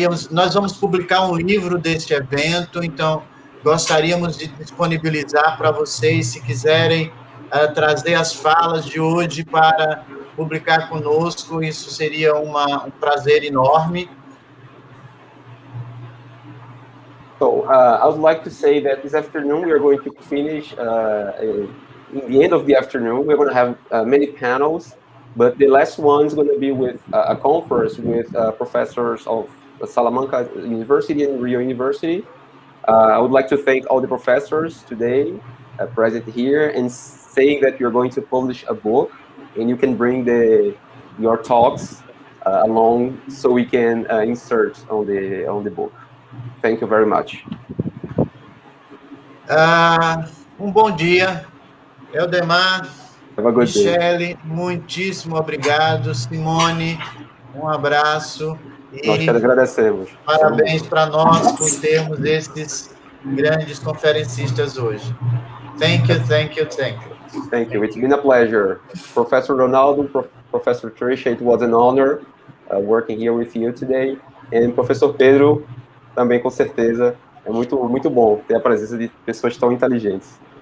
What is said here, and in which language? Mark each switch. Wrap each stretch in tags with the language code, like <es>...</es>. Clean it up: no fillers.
<pt>Nós vamos publicar um livro deste evento, então gostaríamos de disponibilizar para vocês, se quiserem trazer as falas de hoje para publicar conosco, isso seria um prazer enorme.</pt> <en>So, I would like to say that this afternoon we are going to finish, in the end of the afternoon, we're going to have many panels, but the last one is going to be with a conference with professors of Salamanca University and Rio University. I would like to thank all the professors today present here and saying that you're going to publish a book, and you can bring your talks along so we can insert on the book. Thank you very much.</en> <pt>Bom dia, Eldemar.</pt> <en>Have a good day.</en> <pt>Michele, muitíssimo obrigado. Simone, abraço. Nós te agradecemos. Parabéns para nós por termos esses grandes conferencistas hoje.</pt> <en>Thank you, thank you, thank you. Thank you. It's been a pleasure. Professor Ronaldo, Professor Trisha, it was an honor working here with you today.</en> <pt>And Professor Pedro, também com certeza. É muito, muito bom ter a presença de pessoas tão inteligentes.</pt>